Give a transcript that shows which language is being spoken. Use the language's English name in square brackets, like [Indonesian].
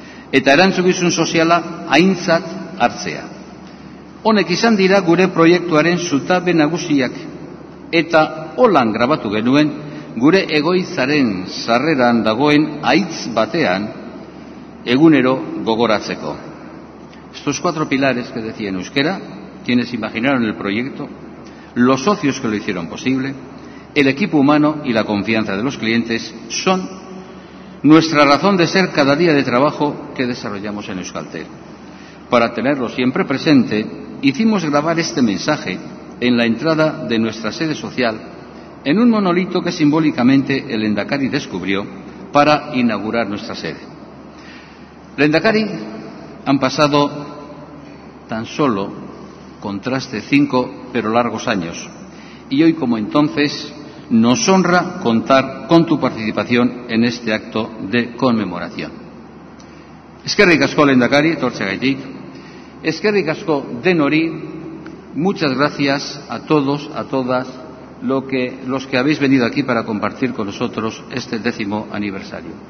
[Basque] Eta erantzukizun soziala aintzat hartzea. Honek izan dira gure proiektuaren zutabe nagusiak. Eta holan grabatu genuen gure egoitzaren sarreran dagoen aitz batean egunero gogoratzeko. [Spanish] Estos cuatro pilares que decía en euskera, quienes imaginaron el proyecto, los socios que lo hicieron posible, el equipo humano y la confianza de los clientes son nuestra razón de ser cada día de trabajo que desarrollamos en Euskaltel. Para tenerlo siempre presente, hicimos grabar este mensaje en la entrada de nuestra sede social, en un monolito que simbólicamente el Lehendakari descubrió para inaugurar nuestra sede. Lehendakari, han pasado tan solo, contraste, 5 pero largos años, y hoy como entonces nos honra contar con tu participación en este acto de conmemoración. [Basque] Eskerrik asko Lehendakari, etortzeagatik. Eskerrik asko denori. [Spanish] Muchas gracias a todos, a todas, los que habéis venido aquí para compartir con nosotros este 10º aniversario.